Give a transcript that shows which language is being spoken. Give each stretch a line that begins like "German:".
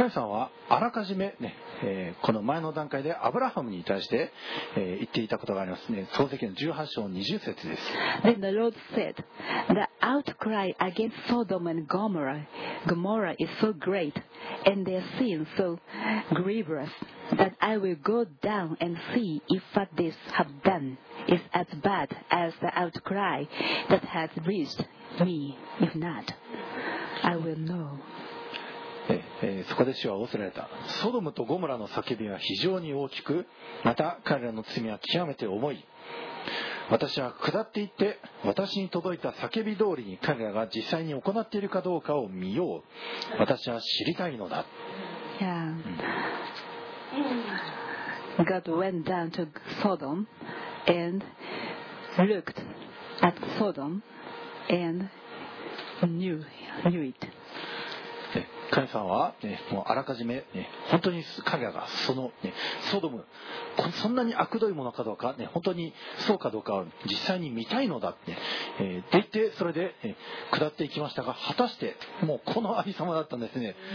Japanese: カイさんはあらかじめ、ね、この前の段階でアブラハムに対して、言っていたことがありますね。創世記の18章20節です。
English: Then the Lord said, The outcry against Sodom and Gomorrah is so great, and their sin so grievous, that I will go down and see if what they have done is as bad as the outcry that has reached me. If not, I will know.
Japanese: そこで主は仰せられた。ソドムとゴムラの叫びは非常に大きく、また彼らの罪は極めて重い。私は下って行って、私に届いた叫び通りに彼らが実際に行っているかどうかを見よう。私は知りたいのだ。
English: Yeah. God went down to Sodom and looked at Sodom and knew it.
Japanese: 神さんは、ね、もうあらかじめ、ね、本当に彼らがその、ね、ソドム、そんなに悪どいものかどうか、ね、本当にそうかどうかを実際に見たいのだって、言って、それで、下っていきましたが、果たしてもうこの有様だったんですね。